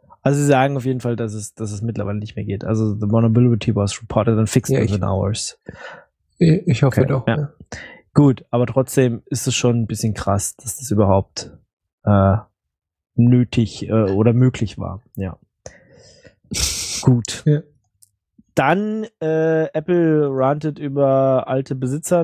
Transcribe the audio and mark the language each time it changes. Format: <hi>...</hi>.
<de>Also sie sagen auf jeden Fall, dass es mittlerweile nicht mehr geht.</de> <en>Also the vulnerability was reported and fixed within hours.</en> <de>Ich hoffe doch. Ja. Gut, aber trotzdem ist es schon ein bisschen krass, dass das überhaupt nötig oder möglich war. Ja. Gut. Ja. Dann Apple rantet über alte Besitzer.</de>